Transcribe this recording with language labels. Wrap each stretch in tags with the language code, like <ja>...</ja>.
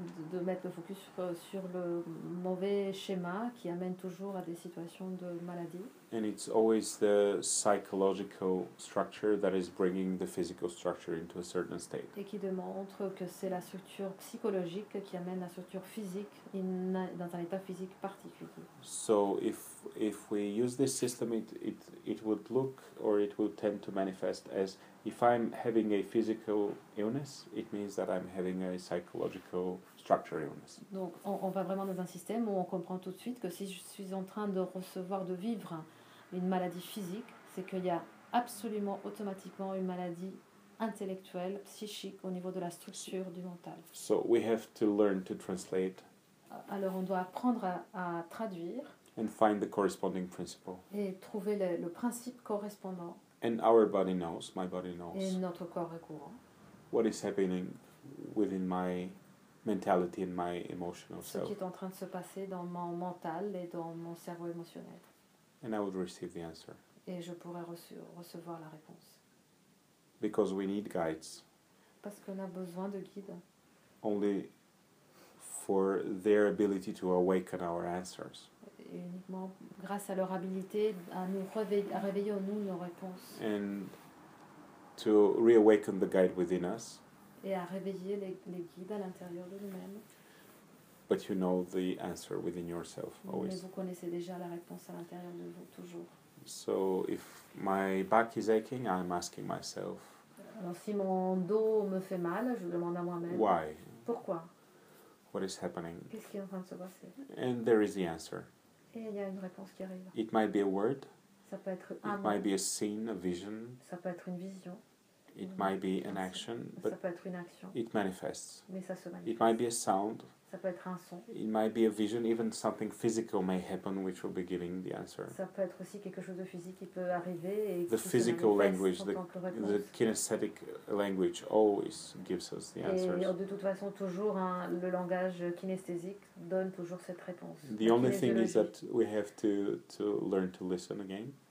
<fr>De mettre le focus sur le mauvais schéma qui amène toujours à des situations de maladie.</fr> <en>And it's always the psychological structure that is bringing the physical structure into a certain state.</en> <fr>Et qui démontre que c'est la structure psychologique qui amène la structure physique dans un état physique particulier.</fr> <en>So if we use this system, it would look or it would tend to manifest as if I'm having a physical illness, it means that I'm having a psychological structure illness.</en> <fr>Donc on va vraiment dans un système où on comprend tout de suite que si je suis en train de recevoir, de vivre une maladie physique, c'est qu'il y a absolument automatiquement une maladie intellectuelle, psychique, au niveau de la structure du mental.</fr> <en>So we have to learn to translate.</en> <fr>Alors on doit apprendre à traduire.</fr> <en>And find the corresponding principle.</en> <fr>Et trouver le principe correspondant.</fr> <en>And our body knows, my body knows.</en> <fr>Et notre corps est courant.</fr> <en>What is happening within my mentality and my emotional self.</en> <fr>Ce qui est en train de se passer dans mon mental et dans mon cerveau émotionnel.</fr> <en>And I would receive the answer.</en> <fr>Et je pourrais recevoir la réponse.</fr> <en>Because we need guides.</en> <fr>Parce qu'on a besoin de guides.</fr> <en>Only for their ability to awaken our answers.</en> <fr>Et uniquement grâce à leur habilité à nous réveiller, à réveiller en nous nos réponses.</fr> <en>And to reawaken the guide within us.</en> <fr>Et à réveiller les guides à l'intérieur de nous-mêmes.</fr> <en>But you know the answer within yourself, always.</en> <fr>Mais vous connaissez déjà la réponse à l'intérieur de vous, toujours.</fr> <en>So if my back is aching, I'm asking myself.</en> <fr>Alors si mon dos me fait mal, je demande à moi-même.</fr> <en>Why?</en> <fr>Pourquoi?</fr> <en>What is happening?</en> <fr>Qu'est-ce qui est en train de se passer?</fr> <en>And there is the answer.</en> <fr>Et il y a une réponse qui arrive.</fr> <en>It might be a word.</en> <fr>Ça peut être un mot.</fr> <en>It might be a scene, a vision.</en> <fr>Ça peut être une vision.</fr> <en>It might be an action, but</en> <fr>ça peut être une action.</fr> <en>It manifests.</en> <fr>Mais ça se manifeste.</fr> <en>It might be a sound.</en> <fr>Ça peut être un son.</fr> <en>It might be a vision, even something physical may happen, which will be giving the answer.</en> <fr>Ça peut être aussi quelque chose de physique qui peut arriver et</fr> <en>the physical language, the kinesthetic language, always gives us the answer.</en> <fr>Et de toute façon, toujours le langage kinesthésique donne toujours cette réponse.</fr> <en>The only thing is that we have to learn to listen again.</en>